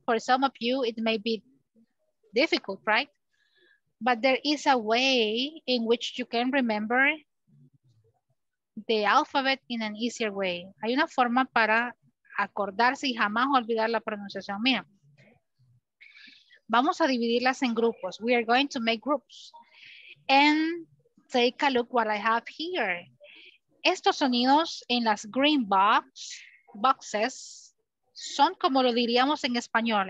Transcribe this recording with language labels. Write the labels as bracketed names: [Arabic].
[English] For some of you, it may be difficult, right? But there is a way in which you can remember the alphabet in an easier way. [Spanish] Hay una forma para acordarse y jamás olvidar la pronunciación. Mira. Vamos a dividirlas en grupos. [English] We are going to make groups. And take a look what I have here. [Spanish] Estos sonidos en las [English] green boxes [Spanish] son como lo diríamos en español.